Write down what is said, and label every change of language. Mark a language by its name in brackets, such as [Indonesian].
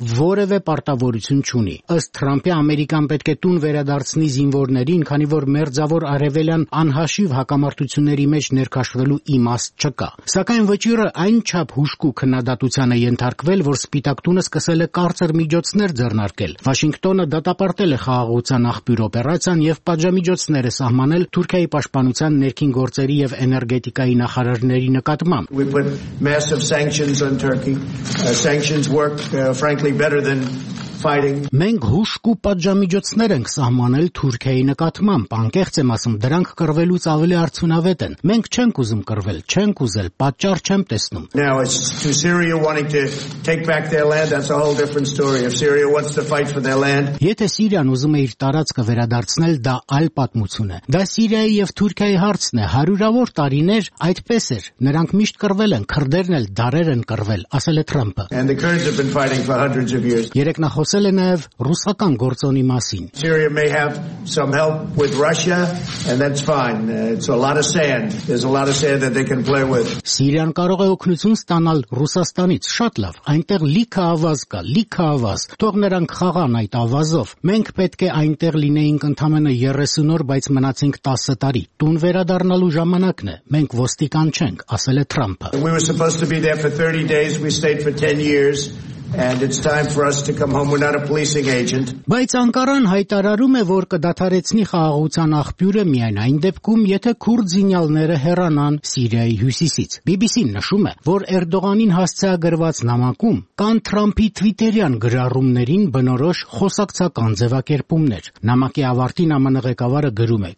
[Armenian] որևէ պարտավորություն չունի։ Ըստ Թրամփի, Ամերիկան պետք է տուն վերադարձնի զինվորներին, քանի որ մերձավոր արևելյան անհաշիվ հակամարտությունների մեջ ներքաշվելու իմաստ չկա։ Սակայն վճիրը այնչափ հուշկու քննադատության է ենթարկվել, որ Սպիտակ տունը սկսել է կարծր միջոցներ ձեռնարկել։ Վաշինգտոնը դատապարտել է խաղաղության աղբյուր օպերացիան և պատժամիջոցներ է սահմանել Թուրքիայի պաշտպանության, ներքին գործերի և էներգետիկայի նախարարների նկատմամբ։ [English] We put massive sanctions on Turkey. Sanctions work, frankly, better than fighting. [Armenian] Մենք հուշկ ու պատժամիջոցներ ենք սահմանել Թուրքիայի նկատմամբ, անկեղծ եմ ասում, դրանք կրվելուց ավելի արդյունավետ են։ Մենք չենք ուզում կրվել, չենք ուզել, պատճառ չեմ տեսնում։ [English] Now it's to Syria wanting to take back their land, that's a whole different story. If Syria wants to fight for their land. [Armenian] Եթե Սիրիան ուզում է իր տարածքը վերադարձնել, դա այլ պատմություն է։ Դա Սիրիայի եւ Թուրքիայի հարցն է, հարյուրավոր տարիներ այդպես էր, նրանք միշտ կրվել են, քրդերն էլ դարեր են կրվել, ասել է Թրամփը։ [English] And the Kurds have been fighting for hundreds of years. [Armenian] Երեկ ասել է նաև ռուսական գործոնի մասին։ [English] Syria may have some help with Russia and that's fine. It's a lot of sand. There's a lot of sand that they can play with. [Armenian] Սիրիան կարող է օգնություն ստանալ Ռուսաստանից, շատ լավ, այնտեղ լիքը ավազ կա, լիքը ավազ, թող նրանք խաղան այդ ավազով։ Մենք պետք է այնտեղ լինեինք ընդամենը 30 օր, բայց մնացինք 10 տարի։ Տուն վերադառնալու ժամանակն է, մենք ոստիկան չենք, ասել է Թրամփը։ [English] We were supposed to be there for 30 days, we stayed for 10 years. And it's time for us to come home. We're not a policing agent. [Armenian] Բայց Անկարան հայտարարում է, որ կդադարեցնի խաղաղության աղբյուրը միայն այն դեպքում, եթե քուրդ զինյալները հեռանան Սիրիայի հյուսիսից։ BBC-ն նշում է, որ Էրդողանին հասցեագրված նամակում կան Թրամփի Twitter-յան գրառումներին բնորոշ խոսակցական ձևակերպումներ։ Նամակի ավարտին ԱՄՆ ղեկավարը գրում է.